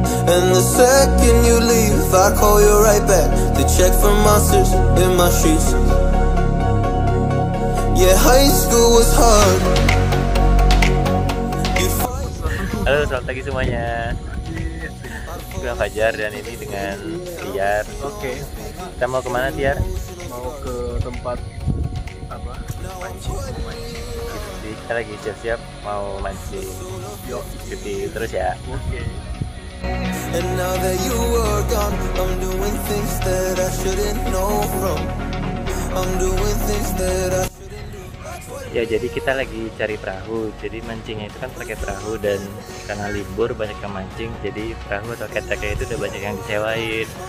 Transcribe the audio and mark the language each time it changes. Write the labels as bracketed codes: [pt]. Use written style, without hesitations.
[en] And the second you leave, I call you right back to check for monsters in my sheets. Yeah, high school was hard. [id] Halo, selamat pagi semuanya. Gue Fajar dan ini dengan Tiar. Oke. Kita mau kemana, Tiar? Mau ke tempat apa? Mancing. Kita lagi siap-siap mau mancing. Yo, cuti terus ya. Oke. [en] And now that you are gone, I'm doing things that I shouldn't know from. I'm doing things that I shouldn't do. [id] Ya, jadi kita lagi cari perahu. Jadi mancingnya itu kan pakai perahu, dan karena libur banyak yang mancing, jadi perahu atau ketek itu udah banyak yang disewain.